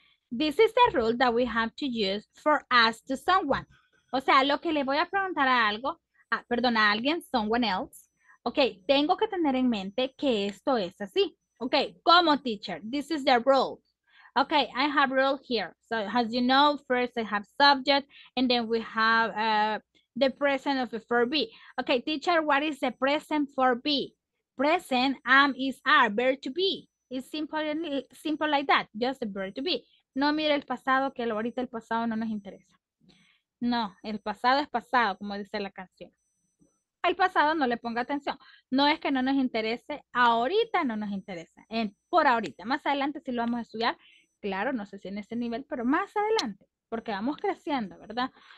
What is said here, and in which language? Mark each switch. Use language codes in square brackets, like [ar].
[en] This is the rule that we have to use for ask to someone. [es] O sea, lo que le voy a preguntar a algo, a, perdón, a alguien, [en] someone else. [es] Ok, tengo que tener en mente que esto es así. [en] Ok, como teacher, this is the rule. Ok, I have rule here. So, as you know, first I have subject and then we have the present of the verb be. Ok, teacher, what is the present for be? Present is are, verb to be. It's simple, simple like that, just the verb to be. [es] No mire el pasado, que ahorita el pasado no nos interesa. No, el pasado es pasado, como dice la canción. Al pasado no le ponga atención. No es que no nos interese, ahorita no nos interesa. Por ahorita, más adelante sí lo vamos a estudiar. Claro, no sé si en ese nivel, pero más adelante, porque vamos creciendo, ¿verdad?